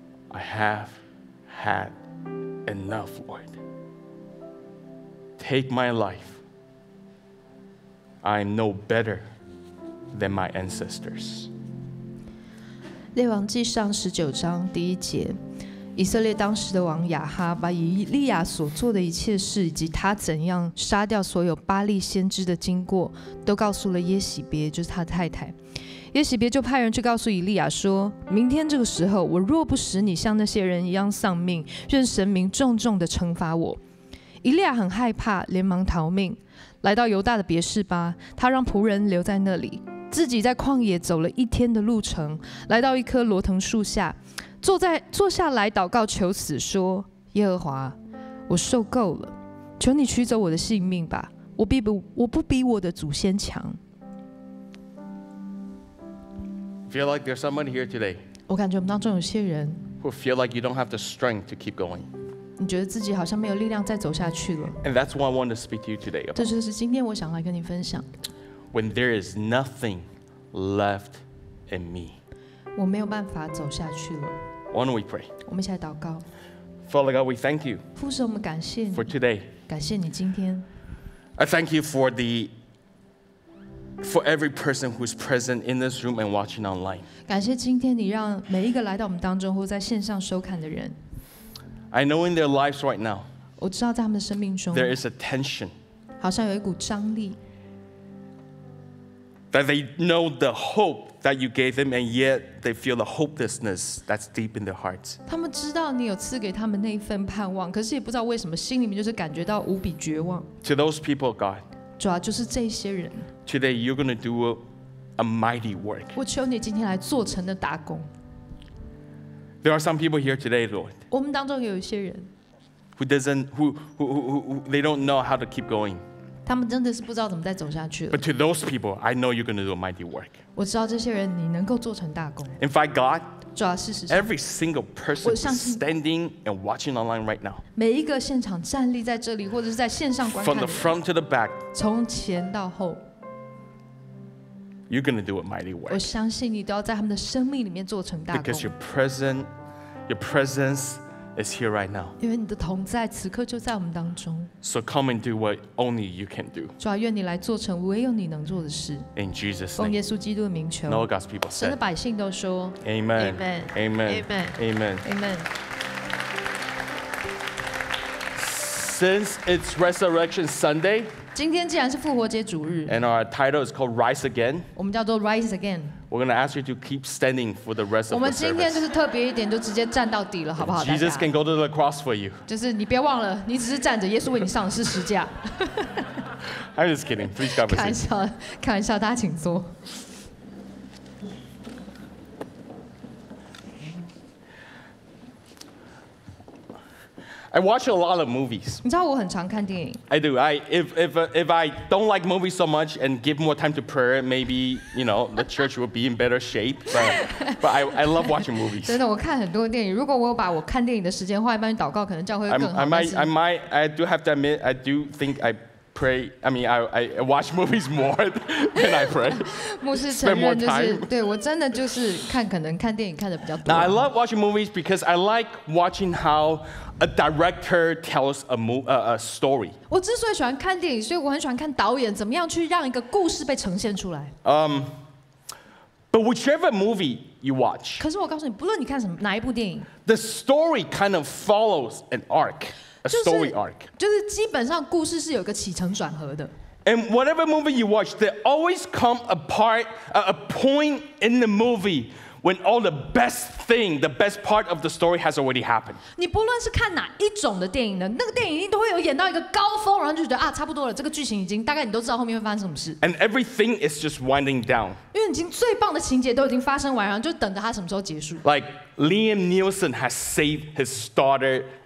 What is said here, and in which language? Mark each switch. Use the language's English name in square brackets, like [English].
[English] I have had enough, Lord. Take my life. I am no better than my ancestors." [Chinese] 列王记上十九章第一节，以色列当时的王亚哈把以利亚所做的一切事，以及他怎样杀掉所有巴利先知的经过，都告诉了耶洗别，就是他的太太。耶洗别就派人去告诉以利亚说，明天这个时候，我若不使你像那些人一样丧命，愿神明重重的惩罚我。以利亚很害怕，连忙逃命，来到犹大的别示巴，他让仆人留在那里，自己在旷野走了一天的路程，来到一棵罗藤树下，坐下来祷告求死，说，耶和华，我受够了，求你取走我的性命吧，我不比我的祖先强。 [English] feel like there's someone here today, [Chinese] 我感觉我们当中有些人 [English] who feel like you don't have the strength to keep going, [Chinese] 你觉得自己好像没有力量再走下去了。 [English] And that's what I want to speak to you today about. [Chinese] 这就是今天我想来跟你分享。 [English] When there is nothing left in me, [Chinese] 我没有办法走下去了。 [English] Why don't we pray? [Chinese] 我们一起来祷告。 [English] Father God, we thank you. [Chinese] 父神，我们感谢你。 [English] For today, [Chinese] 感谢你今天。 [English] I thank you for every person who's present in this room and watching online. [Chinese] 感谢今天你让每一个来到我们当中或在线上收看的人。 [English] I know in their lives right now, [Chinese] 我知道在他们的生命中 [English] there is a tension, [Chinese] 好像有一股张力。 [English] That they know the hope that you gave them, and yet they feel the hopelessness that's deep in their hearts. [Chinese] 他们知道你有赐给他们那一份盼望，可是也不知道为什么心里面就是感觉到无比绝望。 [English] To those people, God, [Chinese] 主啊，就是这些人。 [English] Today you're going to do a mighty work. [Chinese] 我求你今天来做成的大工。 [English] There are some people here today, Lord. [Chinese] 我们当中有一些人 [English] who don't know how to keep going. [Chinese] 他们真的是不知道怎么再走下去了。 [English] But to those people, I know you're going to do a mighty work. [Chinese] 我知道这些人你能够做成大功。 [English] In fact, God, [Chinese] 主啊，事实上， [English] every single person standing and watching online right now, [Chinese] 每一个现场站立在这里或者是在线上观看的人， [English] from the front to the back, [Chinese] 从前到后， [English] you're going to do a mighty work. [Chinese] 我相信你都要在他们的生命里面做成大功。 [English] Because your presence,It's here right now. [Chinese] 因为你的同在此刻就在我们当中。 [English] So come and do what only you can do. [Chinese] 主啊，愿你来做成唯有你能做的事。 [English] In Jesus' name. [Chinese] 奉耶稣基督的名求。 [English] All God's people said. [Chinese] 神的百姓都说。 [English] Amen. Amen. Amen. Amen. Amen. Since it's Resurrection Sunday. [Chinese] 今天既然是复活节主日。 [English] And our title is called Rise Again. [Chinese] 我们叫做 Rise Again. [English] We're going to ask you to keep standing for the rest of the service. [Chinese] 我们今天就是特别一点，就直接站到底了，好不好？ [English] Jesus can go to the cross for you. [Chinese] 就是你别忘了，你只是站着，耶稣为你上的是十字架。 [English] I'm just kidding. Please come. [Chinese] 开玩笑，开玩笑，大家请坐。 [English] I watch a lot of movies. [Chinese] 你知道我很常看电影。 [English] I do. If I don't like movies so much and give more time to prayer, maybe you know the church will be in better shape. But I love watching movies. [Chinese] 真的，我看很多电影。如果我有把我看电影的时间花一半去祷告，可能教会会更好。 [English] I do have to admit, I do think I pray. I mean, I watch movies more than I pray. [Chinese] 牧师承认就是对我真的就是看可能看电影看的比较多。 [English] Now I love watching movies because I like watching how a director tells a story. [Chinese] 我之所以喜欢看电影，所以我很喜欢看导演怎么样去让一个故事被呈现出来。 [English] But whichever movie you watch, [Chinese] 可是我告诉你，不论你看什么哪一部电影 [English] ，the story kind of follows an arc. A story arc. [Chinese] 就是基本上故事是有一个起承转合的。 [English] And whatever movie you watch, there always come a part, a point in the movie when all the best thing, the best part of the story has already happened. [Chinese] 你不论是看哪一种的电影呢，那个电影一定都会有演到一个高峰，然后就觉得啊，差不多了，这个剧情已经大概你都知道后面会发生什么事。 [English] And everything is just winding down. [Chinese] 因为已经最棒的情节都已经发生完，然后就等着它什么时候结束。 [English] Like Liam Neeson has saved his daughter.